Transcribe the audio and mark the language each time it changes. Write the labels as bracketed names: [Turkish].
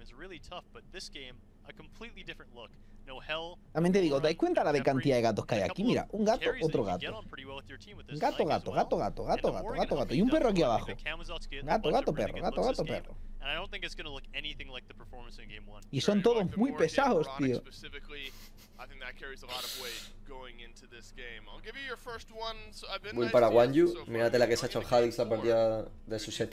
[English] It's really tough, but this game, a completely different look. No hell. [Spanish] También te digo, dais cuenta la de cantidad de gatos que hay aquí. Mira, un gato, otro gato. Gato. Y un perro aquí abajo. Gato, perro. [English] And I don't think it's going to look anything like the performance in game one. [Spanish] Y son todos muy pesados, tío. [English] I think that carries a lot of weight going into this game. I'll give you your first one. So I've been para Wan Yu. [Spanish] Mírate la que se ha hecho Hadix la partida de su set.